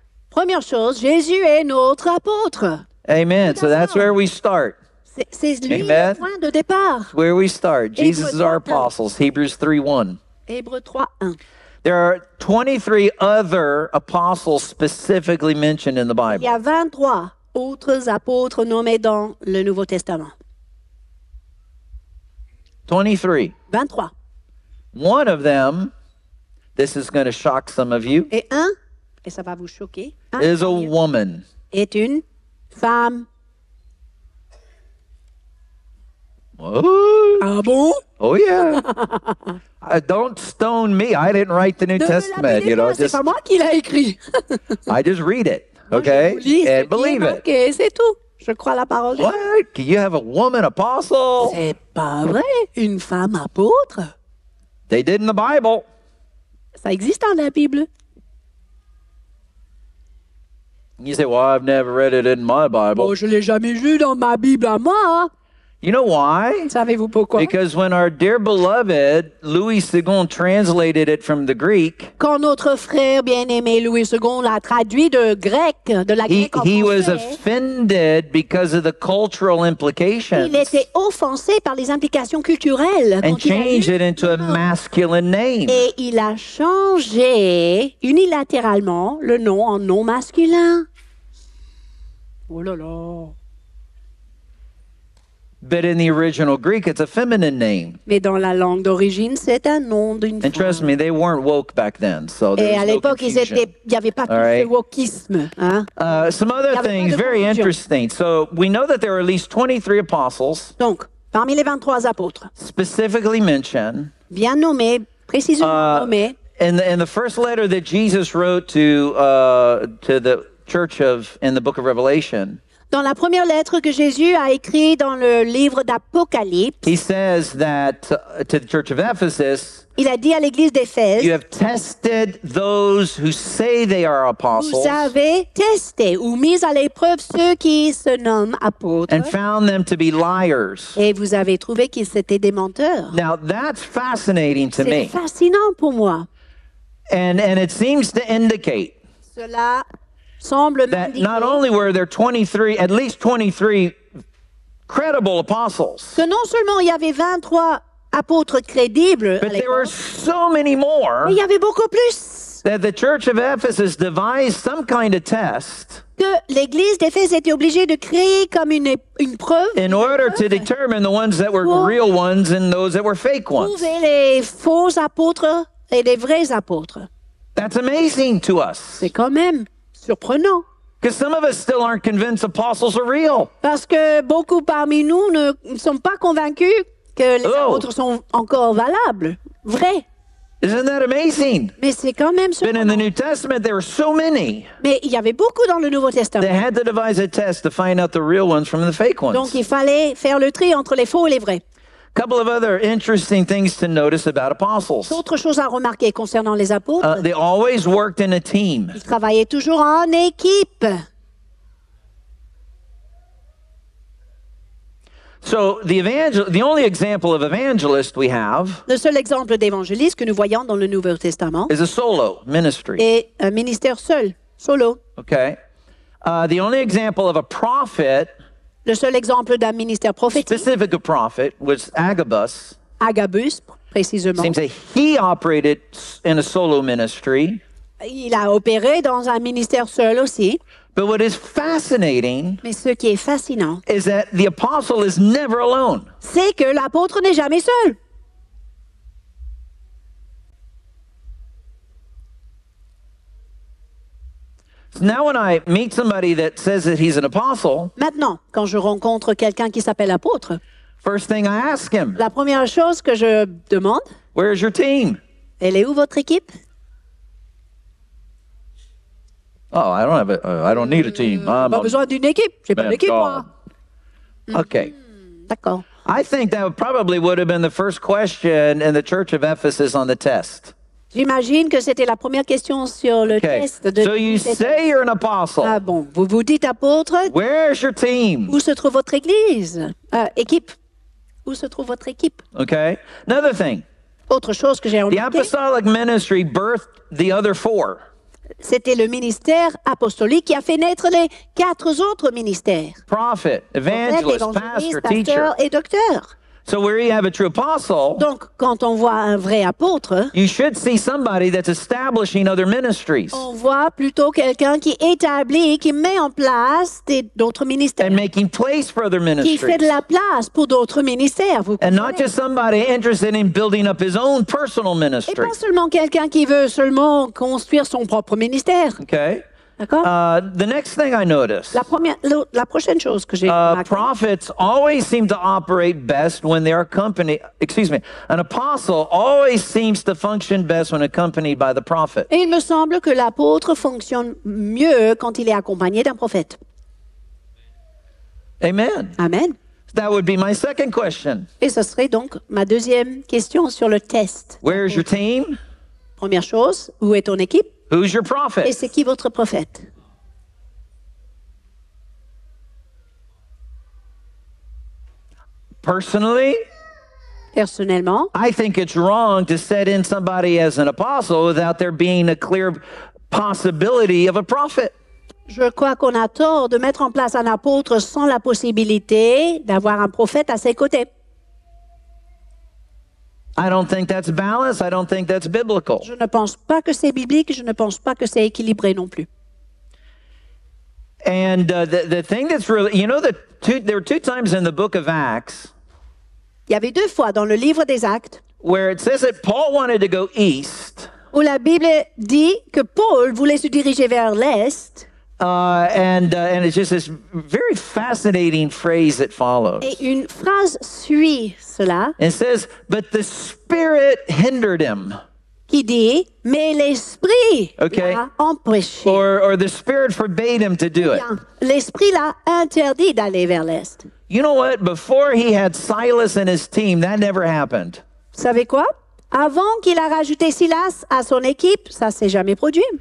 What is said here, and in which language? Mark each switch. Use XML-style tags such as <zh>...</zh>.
<fr>Première chose, Jésus est notre apôtre.</fr> <en>Amen. So that's where we start.</en> <fr>C'est lui Amen. Le point de départ.</fr> <en>Where we start. Jesus is our apostles. Hebrews 3:1.</en> <fr>Hébreux 3:1.</fr> <en>There are 23 other apostles specifically mentioned in the Bible.</en> <fr>Il y a 23 autres apôtres nommés dans le Nouveau Testament.</fr> <en>23.</en> <fr>23.</fr> <en>One of them, this is going to shock some of you,</en> <fr>et un, et ça va vous choquer,</fr> <en>is a woman.</en> <fr>Est une femme.</fr> <en>Oh.</en> <fr>Ah bon?</fr> <en>Oh yeah. Don't stone me. I didn't write the New Testament, you know.</en> <fr>C'est pas moi qui l'a écrit.</fr> <en>I just read it, okay? And believe it.</en> <fr>Okay, c'est tout. Je crois la parole.</fr> <en>What? Can you have a woman apostle?</en> <fr>C'est pas vrai. Une femme apôtre?</fr> <en>They did in the Bible.</en> <fr>Ça existe dans la Bible.</fr> <en>You say, well, I've never read it in my Bible.</en> <fr>Bon, je l'ai jamais lu dans ma Bible à moi.</fr> <en>You know why?</en> <fr>Savez-vous pourquoi?</fr> <en>Because when our dear beloved Louis II translated it from the Greek,</en> <fr>quand notre frère bien-aimé Louis II l'a traduit de grec, de la grecque,</fr> <en>he was offended because of the cultural implications.</en> <fr>Il était offensé par les implications culturelles.</fr> <en>And changed it into a masculine name.</en> <fr>Et il a changé unilatéralement le nom en nom masculin. Oh là là.</fr> <en>But in the original Greek, it's a feminine name.</en> <fr>Mais dans la langue d'origine, c'est un nom d'une femme.</fr> <en>And trust me, they weren't woke back then, so there's no confusion.</en> <fr>Et à l'époque, ils étaient, y avait pas tout ce wokisme, hein?</fr> <en>Some other things, very interesting. So we know that there are at least 23 apostles.</en> <fr>Donc, parmi les 23 apôtres.</fr> <en>Specifically mentioned.</en> <fr>Bien nommé, précisément nommé.</fr> <en>In the first letter that Jesus wrote to the church of in the book of Revelation.</en> <fr>Dans la première lettre que Jésus a écrite dans le livre d'Apocalypse,</fr> <en>he says that, to the church of Ephesus,</en> <fr>il a dit à l'église d'Éphèse,</fr> <en>you have tested those who say they are apostles,</en> <fr>vous avez testé ou mis à l'épreuve ceux qui se nomment apôtres,</fr> <en>and found them to be liars.</en> <fr>Et vous avez trouvé qu'ils étaient des menteurs.</fr> <en>Now, that's fascinating to me.</en> <fr>C'est fascinant pour moi.</fr> <en>And it seems to indicate</en> <fr>cela.</fr> <en>That not only were there 23, at least 23 credible apostles,</en> <fr>que non seulement il y avait 23 apôtres crédibles,</fr> <en>but there were so many more,</en> <fr>mais il y avait beaucoup plus,</fr> <en>that the church of Ephesus devised some kind of test,</en> <fr>que l'église d'Éphèse était obligée de créer comme une preuve,</fr> <en>in order to determine the ones that were real ones and those that were fake ones.</en> <fr>Trouver les faux apôtres et les vrais apôtres.</fr> <en>That's amazing to us.</en> <fr>C'est quand même surprenant.</fr> <en>Because some of us still aren't convinced apostles are real.</en> <fr>Parce que beaucoup parmi nous ne sont pas convaincus que les apôtres sont encore valables, vrais.</fr> <en>Isn't that amazing?</en> <fr>Mais c'est quand même surprenant.</fr> <en>But in the New Testament, there were so many.</en> <fr>Mais il y avait beaucoup dans le Nouveau Testament.</fr> <en>They had to devise a test to find out the real ones from the fake ones.</en> <fr>Donc il fallait faire le tri entre les faux et les vrais.</fr> <en>Couple of other interesting things to notice about apostles.</en> <fr>D'autres choses à remarquer concernant les apôtres.</fr> <en>They always worked in a team.</en> <fr>Ils travaillaient toujours en équipe.</fr> <en>So the only example of evangelist we have.</en> <fr>Le seul exemple d'évangéliste que nous voyons dans le Nouveau Testament.</fr> <en>Is a solo ministry.</en> <fr>Est un ministère seul, solo.</fr> <en>Okay. The only example of a prophet.</en> <fr>Le seul exemple d'un ministère prophétique.</fr> <en>Specific prophet was Agabus.</en> <fr>Agabus, précisément.</fr> <en>Seems that he operated in a solo ministry.</en> <fr>Il a opéré dans un ministère seul aussi.</fr> <en>But what is fascinating.</en> <fr>Mais ce qui est fascinant.</fr> <en>Is that the apostle is never alone.</en> <fr>C'est que l'apôtre n'est jamais seul.</fr> <en>Now when I meet somebody that says that he's an apostle,</en> <fr>maintenant, quand je rencontre quelqu'un qui s'appelle apôtre,</fr> <en>first thing I ask him,</en> <fr>la première chose que je demande,</fr> <en>where is your team?</en> <fr>Elle est où votre équipe?</fr> <en>Oh, I don't have I don't need a team.</en> <fr>Pas besoin d'une équipe. J'ai pas d'équipe, moi.</fr> <en>Okay.</en> <fr>D'accord.</fr> <en>I think that probably would have been the first question in the Church of Ephesus on the test.</en> <fr>J'imagine que c'était la première question sur le test. De</fr> <en>so you say you're an apostle.</en> <fr>Ah bon, vous dites apôtre.</fr> <en>Where's your team?</en> <fr>Où se trouve votre église? Équipe. Où se trouve votre équipe?</fr> <en>Okay. Another thing.</en> <fr>Autre chose que j'ai remarqué.</fr> <en>The apostolic ministry birthed the other four.</en> <fr>C'était le ministère apostolique qui a fait naître les quatre autres ministères.</fr> <en>Prophet, evangelist, pastor, teacher.</en> <fr>Et docteur.</fr> <en>So where you have a true apostle,</en> <fr>donc quand on voit un vrai apôtre,</fr> <en>you should see somebody that's establishing other ministries.</en> <fr>On voit plutôt quelqu'un qui établit, qui met en place d'autres ministères.</fr> <en>And making place for other ministries.</en> <fr>Qui fait de la place pour d'autres ministères, vous comprenez?</fr> <en>And not just somebody interested in building up his own personal ministry.</en> <fr>Et pas seulement quelqu'un qui veut seulement construire son propre ministère.</fr> <en>Okay. The next thing I noticed. Prophets always seem to operate best when they are accompanied. Excuse me. An apostle always seems to function best when accompanied by the prophet.</en> <fr>Et il me semble que l'apôtre fonctionne mieux quand il est accompagné d'un prophète.</fr> <en>Amen.</en> <fr>Amen.</fr> <en>That would be my second question.</en> <fr>Et ce serait donc ma deuxième question sur le test.</fr> <en>Where is your team?</en> <fr>Première chose, où est ton équipe?</fr> <en>Who's your prophet?</en> <fr>Et c'est qui votre prophète?</fr> <en>Personally?</en> <fr>Personnellement?</fr> <en>I think it's wrong to set in somebody as an apostle without there being a clear possibility of a prophet.</en> <fr>Je crois qu'on a tort de mettre en place un apôtre sans la possibilité d'avoir un prophète à ses côtés.</fr> <en>I don't think that's balanced. I don't think that's biblical.</en> <fr>Je ne pense pas que c'est biblique. Je ne pense pas que c'est équilibré non plus.</fr> <en>And the thing that's really, you know, there are two times in the book of Acts.</en> <fr>Il y avait deux fois dans le livre des Actes.</fr> <en>Where it says that Paul wanted to go east.</en> <fr>Où la Bible dit que Paul voulait se diriger vers l'est.</fr> <en>And it's just this very fascinating phrase that follows.</en> <fr>Et une phrase suit cela.</fr> <en>It says, but the Spirit hindered him.</en> <fr>Qui dit, mais l'Esprit okay. l'a empêché.</fr> <en>Or the Spirit forbade him to do</en> <fr>bien,</fr> <en>it.</en> <fr>L'Esprit l'a interdit d'aller vers l'Est.</fr> <en>You know what? Before he had Silas and his team, that never happened.</en> <fr>Vous savez quoi? Avant qu'il a rajouté Silas à son équipe, ça s'est jamais produit.</fr>